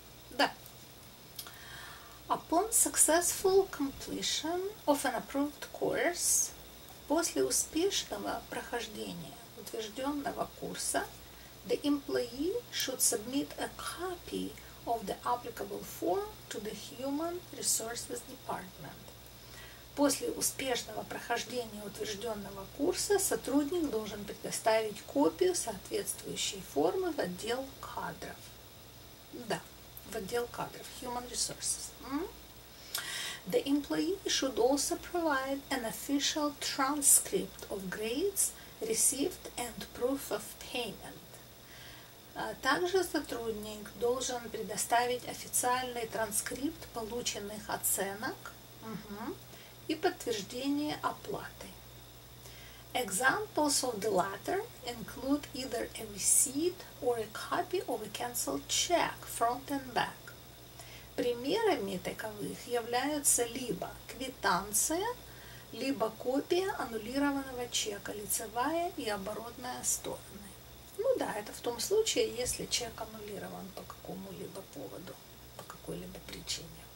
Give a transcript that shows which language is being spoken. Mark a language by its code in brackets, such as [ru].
[en] Да. Upon successful completion of an approved course, [ru] после успешного прохождения утвержденного курса, [en] the employee should submit a copy of the applicable form to the Human Resources Department. [ru] После успешного прохождения утвержденного курса сотрудник должен предоставить копию соответствующей формы в отдел кадров. Да, в отдел кадров, Human Resources. [en] The employee should also provide an official transcript of grades received and proof of payment. [ru] Также сотрудник должен предоставить официальный транскрипт полученных оценок. И подтверждение оплаты. [en] Examples of the latter include either a receipt or a copy of a cancelled check, front and back. [ru] Примерами таковых являются либо квитанция, либо копия аннулированного чека, лицевая и оборотная стороны. Ну да, это в том случае, если чек аннулирован по какому-либо поводу, по какой-либо причине.